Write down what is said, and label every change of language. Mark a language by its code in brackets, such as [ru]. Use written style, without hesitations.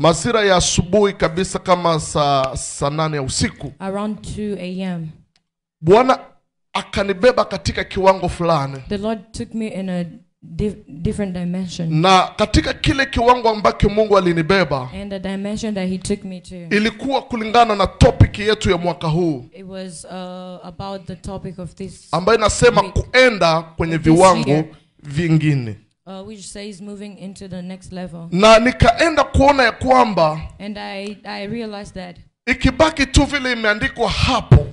[sw] Masira ya asubuhi kabisa kama saa 8 ya usiku. [en] Around 2 a.m. [sw] Bwana akanibeba katika kiwango fulani. [en] The Lord took me in a different dimension. [sw] Na katika kile kiwango ambacho Mungu alinibeba. [en] And the dimension that he took me to. [sw] Ilikuwa kulingana na topic yetu ya mwaka huu. [en] It was about the topic of this. [sw] Ambayo inasema kuenda kwenye viwango vingine. [en] Which says moving into the next level. [sw] Na nikaenda kuona ya kwamba. [en] And I realized that. [sw] Ikibaki tu vile imeandikwa hapo.